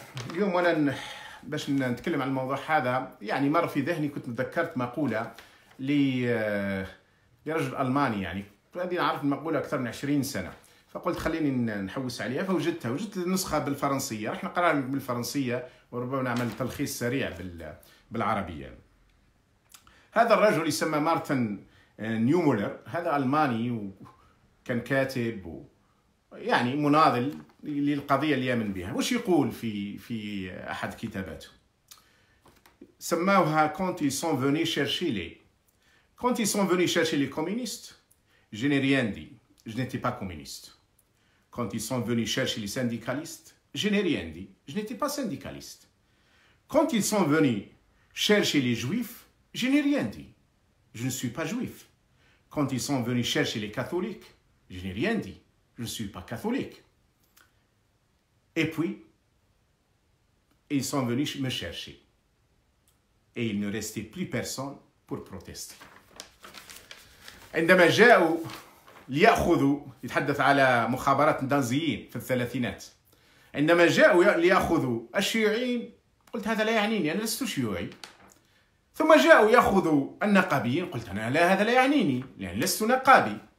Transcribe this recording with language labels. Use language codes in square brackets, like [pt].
[ar] اليوم وانا باش نتكلم عن الموضوع هذا يعني مر في ذهني، كنت تذكرت مقولة لرجل ألماني يعني، فهذه نعرف المقولة أكثر من 20 سنة، فقلت خليني نحوس عليها فوجدتها، وجدت النسخة بالفرنسية، رح نقرأها بالفرنسية وربما نعمل تلخيص سريع بالعربية. هذا الرجل يسمى مارتن نيومولر، هذا ألماني وكان كاتب ويعني مناضل للقضية اللي يؤمن بها. وش يقول في أحد كتاباته؟ سماوها كونت [fr] ils sont venus chercher les كونت ils sont venus chercher les communistes je n'ai rien dit je n'étais pas communiste كونت ils sont venus chercher les syndicalistes je n'ai rien dit je n'étais pas syndicaliste كونت ils sont venus chercher les juifs je n'ai rien dit je ne suis pas juif كونت ils sont venus chercher les catholiques je n'ai rien dit je ne suis pas catholique. Et puis, ils sont venus me chercher. Et il ne restait plus personne pour protester. [ar] عندما جاءوا ليأخذوا، يتحدث على مخابرات النازيين في الثلاثينات، عندما جاءوا ليأخذوا الشيوعيين، قلت هذا لا يعنيني، أنا لست شيوعي. ثم جاءوا يأخذوا النقابيين، قلت أنا لا، هذا لا يعنيني، لأن لست نقابي.